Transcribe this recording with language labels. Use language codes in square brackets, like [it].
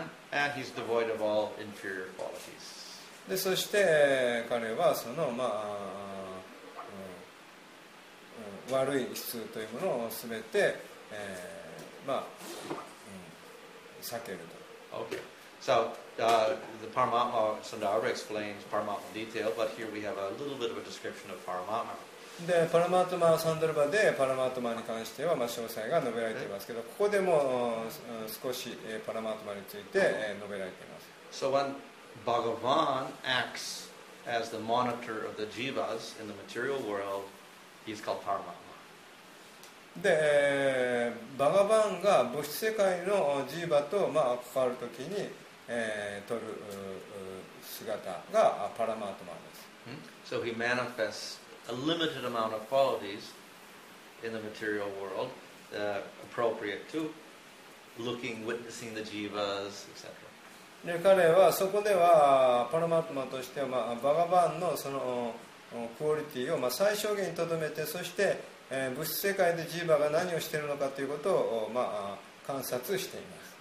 [en] And he's devoid of all inferior qualities. [ja] で、そして彼はそのまあ、悪い質というものを全て、まあ、避けると。 [en] Okay. So, the Paramatma Sundara explains Paramatma in detail, but here we have a little bit of a description of Paramatma. [ja] で、パラマトマサンダルバでパラマトマに関しては、まあ、詳細が述べられていますけど、ここでも少しパラマトマについて述べられています。 [en] So when Bhagavan acts as the monitor of the jivas in the material world, he's called Paramatma. [ja] で、バガバンが物質世界のジーバと、まあ、関わるときに取る姿がパラマートマンです。 [en] So he manifests a limited amount of qualities in the material world, appropriate to looking, witnessing the jivas, etc. [ja] で彼はそこではパラマートマンとしては、まあ、バガバンのそのクオリティを、まあ、最小限にとどめて、そして、物質世界でジーバが何をしているのかということを、まあ、観察しています。